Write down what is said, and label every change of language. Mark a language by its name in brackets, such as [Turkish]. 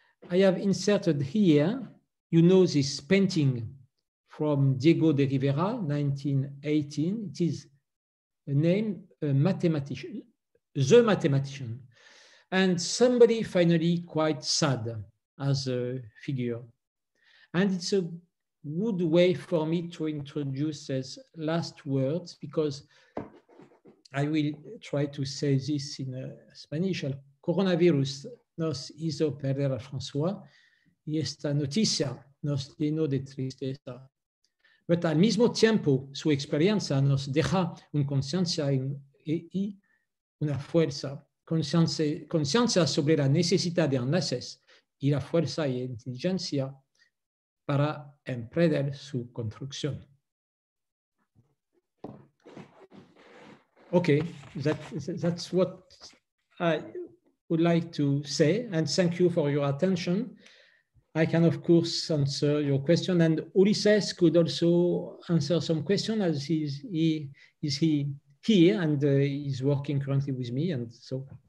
[English] I have inserted here, you know, this painting from Diego de Rivera, 1918. It is the mathematician. And somebody finally quite sad as a figure. And it's a good way for me to introduce his last words, because I will try to say this in Spanish. [Spanish] El coronavirus nos hizo perder a François, y esta noticia nos llenó de tristeza. Pero al mismo tiempo, su experiencia nos deja una conciencia y una fuerza. Conciencia sobre la necesidad de enlaces y la fuerza y inteligencia para emprender su construcción. [English] Okay, that's what I would like to say, and thank you for your attention. I can, of course, answer your question, and Ulises could also answer some questions as he is here and he's working currently with me, and so.